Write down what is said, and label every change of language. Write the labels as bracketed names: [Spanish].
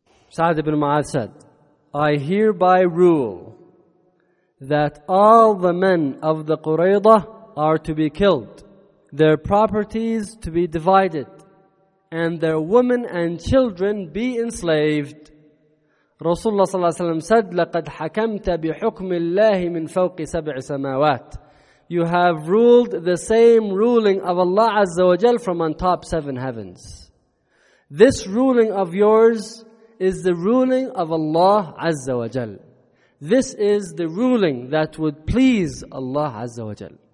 [English] Sa'd ibn Mu'adh said, I hereby rule that all the men of the Quraidah are to be killed, their properties to be divided, and their women and children be enslaved. [Arabic] Rasulullah sallallahu alaihi wasallam said, لَقَدْ حَكَمْتَ بِحُكْمِ اللَّهِ مِنْ فَوْقِ سَبْعِ سَمَاوَاتِ. [English] You have ruled the same ruling of Allah Azza wa Jal from on top seven heavens. This ruling of yours is the ruling of Allah Azza wa Jal. This is the ruling that would please Allah Azza wa Jal.